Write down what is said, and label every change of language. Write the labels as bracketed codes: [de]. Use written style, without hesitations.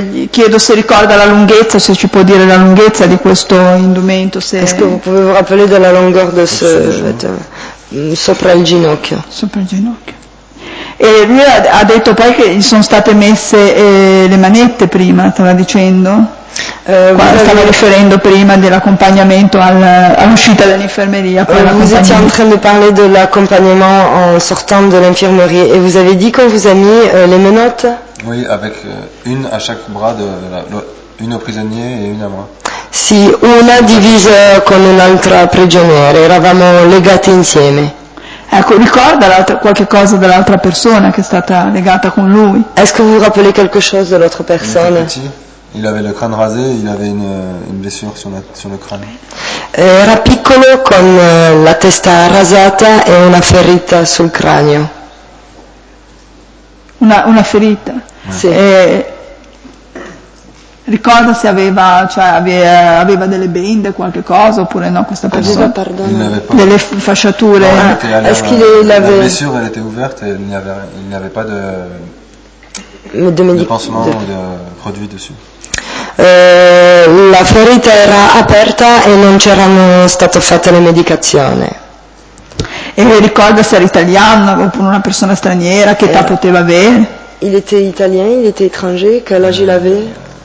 [it] Chiedo se ricorda la lunghezza, se ci può dire la lunghezza di questo indumento. [fr] Est-ce que vous pouvez vous rappeler de la longueur de ce vêtement? [it] Sopra il ginocchio. Sopra il ginocchio. E lui ha detto poi che gli sono state messe le manette prima, stava dicendo? Stava riferendo prima dell'accompagnamento all'uscita dell'infermeria. [fr] Vous étiez en train de parler de l'accompagnement en sortant de l'infirmerie et vous avez dit qu'on vous a mis les menottes? Oui, avec une à chaque bras, une au prisonnier et une à moi. [it] Sì, una divisa con un'altra prigioniera, eravamo legati insieme. Ecco, ricorda qualche cosa dell'altra persona che è stata legata con lui? [fr] Est-ce que vous rappelez quelque chose de l'autre personne? Il avait le crâne rasé, il avait une blessure sur le crâne. [it] Era piccolo con la testa rasata e una ferita sul cranio. Una ferita? Sì. Ricorda se aveva, cioè aveva delle bende, qualche cosa, oppure no, questa persona? Delle fasciature? [fr] No, la blessure elle était ouverte e il n'y avait pas de... De pansement ou de produit dessus. [it] La ferita era aperta e non c'erano state fatte le medicazioni. E ricorda se era italiano oppure una persona straniera, che età poteva avere? [fr] Il était italien, il était étranger, quel âge il avait?